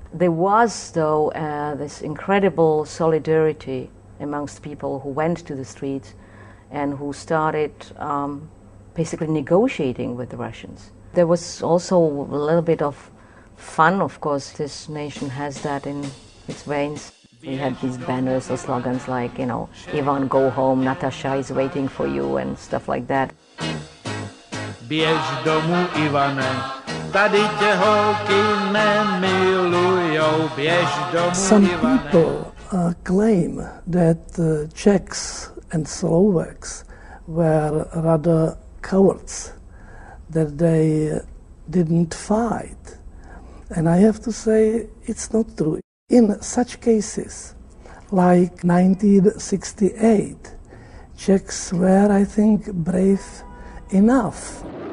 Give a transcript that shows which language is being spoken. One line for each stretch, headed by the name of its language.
English: There was, though, this incredible solidarity amongst people who went to the streets and who started basically negotiating with the Russians. There was also a little bit of fun, of course. This nation has that in its veins. We had these banners or slogans like, you know, Ivan, go home, Natasha is waiting for you, and stuff like that.
Czech: Běž domů, Ivane, tady tě holky nemilujou, běž domů, Ivane.
English: Some people claim that Czechs and Slovaks were rather cowards, that they didn't fight. And I have to say, it's not true. In such cases, like 1968, Czechs were, I think, brave enough.